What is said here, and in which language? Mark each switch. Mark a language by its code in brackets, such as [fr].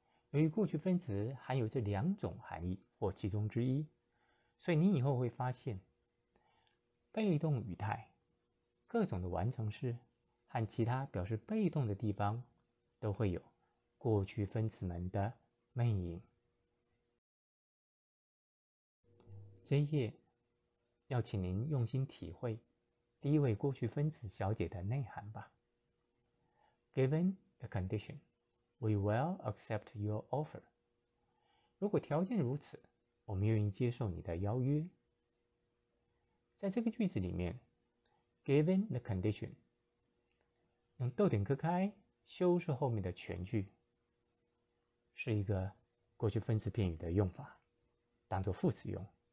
[zh] 由于过去分词含有这两种含义或其中之一，所以你以后会发现被动语态各种的完成式和其他表示被动的地方都会有过去分词们的魅影。这一页要请您用心体会第一位过去分词小姐的内涵吧。 [en] Given the condition, we will accept your offer. [zh] 如果条件如此，我们愿意接受你的邀约。在这个句子里面 ， [en] given the condition， [zh] 用逗点割开修饰后面的全句，是一个过去分词片语的用法，当作副词用。